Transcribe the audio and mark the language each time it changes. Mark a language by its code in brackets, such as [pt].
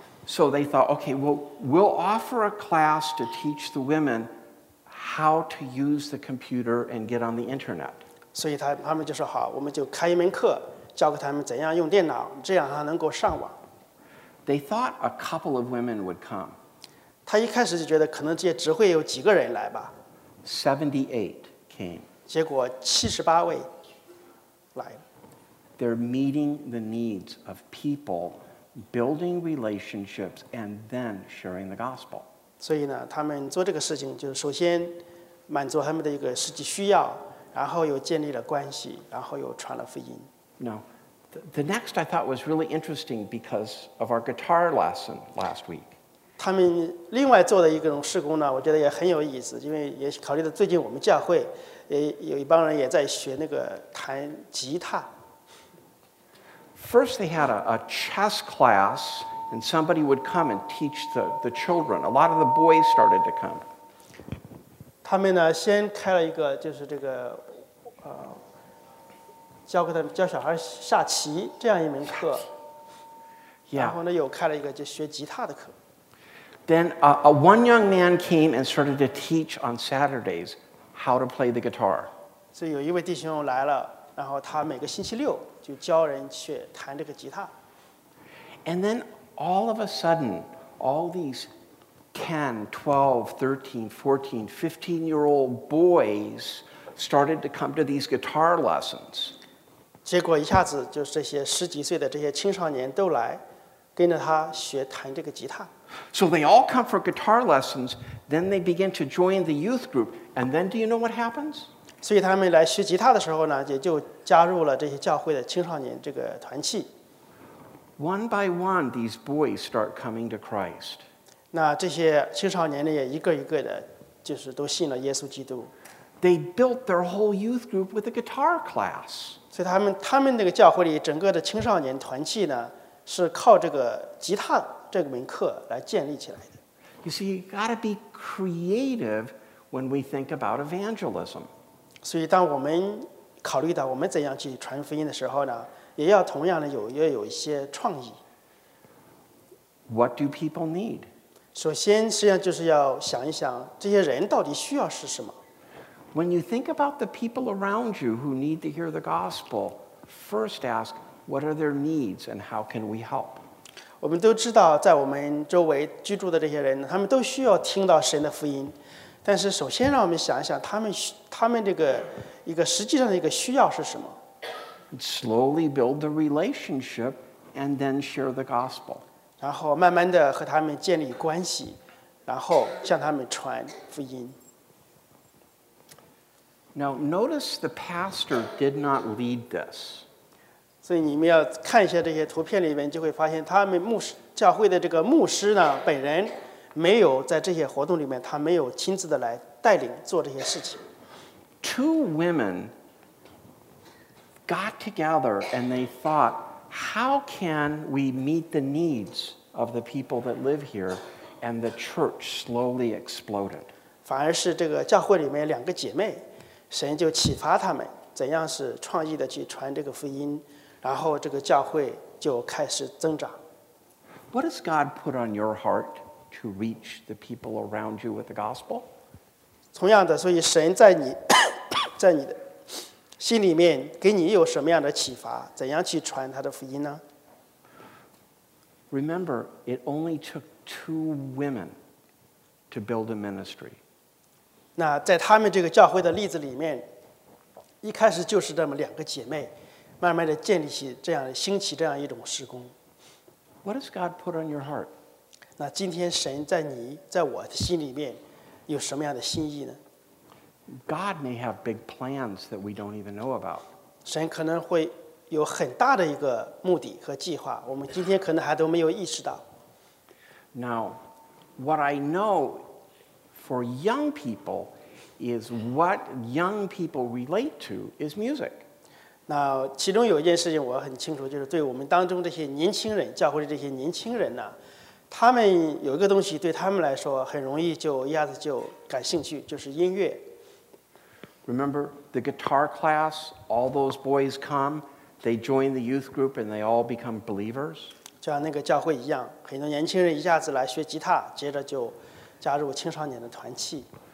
[en] So they thought, okay, well, we'll offer a class to teach the women how to use the computer and get on the internet. [zh] 所以他们就说好，我们就开一门课，教给他们怎样用电脑，这样还能够上网。 [en] They thought a couple of women would come. [zh] 他一开始就觉得可能这只会有几个人来吧。 [en] 78 came. [zh] 结果78位来了。 [en] They're meeting the needs of people, building relationships, and then sharing the gospel. [zh] 所以呢，他们做这个事情就是首先满足他们的一个实际需要，然后又建立了关系，然后又传了福音。 [en] Now, the next I thought was really interesting because of our guitar lesson last week. [zh] 他们另外做的一个种事工呢，我觉得也很有意思，因为也考虑到最近我们教会也有一帮人也在学那个弹吉他。 [en] First, they had a chess class, and somebody would come and teach the children. A lot of the boys started to come. [zh] 他们呢，先开了一个，就是这个，教给他们教小孩下棋这样一门课。 Yeah. 然后呢，又开了一个就学吉他的课。 [en] Then one young man came and started to teach on Saturdays how to play the guitar. [zh] 所以有一位弟兄来了，然后他每个星期六。就教人去弹这个吉他。 [en] And then all of a sudden, all these 10, 12, 13, 14, 15-year-old boys started to come to these guitar lessons. [zh] 结果一下子就是这些十几岁的这些青少年都来跟着他学弹这个吉他。 [en] So they all come for guitar lessons, then they begin to join the youth group, and then do you know what happens? [zh] 所以他们来学吉他的时候呢，也就加入了这些教会的青少年这个团契。 [en] One by one, these boys start coming to Christ. [zh] 那这些青少年呢，也一个一个的，就是都信了耶稣基督。 [en] They built their whole youth group with a guitar class. [zh] 所以他们那个教会里整个的青少年团契呢，是靠这个吉他这门课来建立起来的。 [en] You see, you got to be creative when we think about evangelism. [zh] 所以当我们考虑到我们怎样去传福音的时候呢，也要同样的有一些创意。 [en] What do people need? [zh] 首先实际上就是要想一想这些人到底需要是什么。 [en] When you think about the people around you who need to hear the gospel, first ask, what are their needs and how can we help? [zh] 我们都知道在我们周围居住的这些人，他们都需要听到神的福音。但是首先让我们想一想他们这个一个实际上的一个需要是什么。 [en] Slowly build the relationship and then share the gospel. [zh] 然后慢慢的和他们建立关系，然后向他们传福音。 [en] Now notice the pastor did not lead this. [zh] 所以你们要看一下这些图片里面就会发现他们牧师教会的这个牧师呢本人没有在这些活动里面，他没有亲自的来带领做这些事情。 [en] Two women got together and they thought, how can we meet the needs of the people that live here? And the church slowly exploded. [zh] 反而是这个教会里面两个姐妹，神就启发他们怎样是创意的去传这个福音，然后这个教会就开始增长。 [en] What does God put on your heart? To reach the people around you with the gospel. [zh] 同样的，所以神在你，在你的心里面给你有什么样的启发？怎样去传他的福音呢？ [en] Remember, it only took two women to build a ministry. [zh] 那在他们这个教会的例子里面，一开始就是这么两个姐妹，慢慢的建立起这样兴起这样一种事工。 [en] What does God put on your heart? [zh] 那今天神在你在我的心里面有什么样的心意呢？ [en] God may have big plans that we don't even know about. [zh] 神可能会有很大的一个目的和计划，我们今天可能还都没有意识到。 [en] Now, what I know for young people is what young people relate to is music. [zh] 那其中有一件事情我很清楚，就是对我们当中这些年轻人，教会的这些年轻人呢，他们有一个东西对他们来说很容易就一下子就感兴趣，就是音乐。 [en] Remember the guitar class, all those boys come, they join the youth group and they all become believers. [zh] 像那个教会一样，很多年轻人一下子来学吉他，接着就加入青少年的团契。